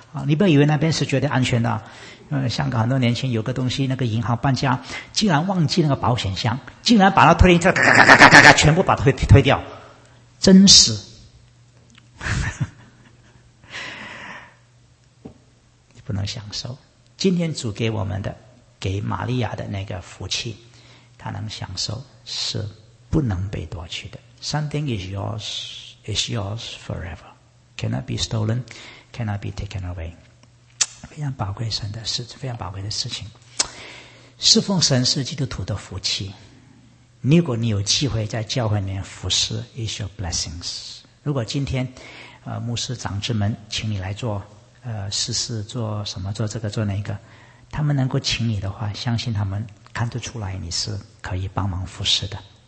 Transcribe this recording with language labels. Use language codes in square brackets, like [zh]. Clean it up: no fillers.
[zh] 你不要以为那边是绝对安全的。香港很多年轻有个东西，那个银行搬家竟然忘记那个保险箱，竟然把它推咔咔咔咔咔咔全部把它 推掉，真实。你不能享受。今天主给我们的，给玛利亚的那个福气，她能享受，是不能被夺取的。 [en] Something is yours, is yours forever, cannot be stolen, cannot be taken away。 [zh] 非常宝贵神的事，非常宝贵的事情。侍奉神是基督徒的福气。如果你有机会在教会里面服侍， [en] is your blessings。 [zh] 如果今天牧师长职们请你来做事事做什么，做这个做那个，他们能够请你的话，相信他们看得出来你是可以帮忙服侍的。